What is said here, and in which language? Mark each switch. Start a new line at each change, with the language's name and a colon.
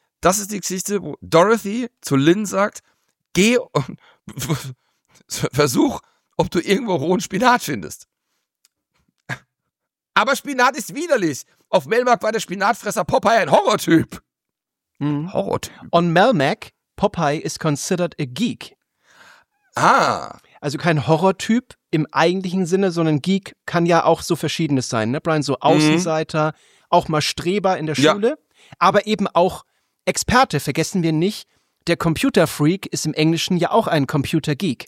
German: Das ist die Geschichte, wo Dorothy zu Lynn sagt, geh und versuch, ob du irgendwo rohen Spinat findest. Aber Spinat ist widerlich. Auf Melmac war der Spinatfresser Popeye ein Horrortyp. Mhm. Horrortyp.
English: On Melmac, Popeye is considered a geek. Ah.
German: Also kein Horrortyp im eigentlichen Sinne, sondern Geek kann ja auch so Verschiedenes sein. Ne, Brian, so Außenseiter, auch mal Streber in der Schule, aber eben auch Experte, vergessen wir nicht, der Computerfreak ist im Englischen ja auch ein Computergeek.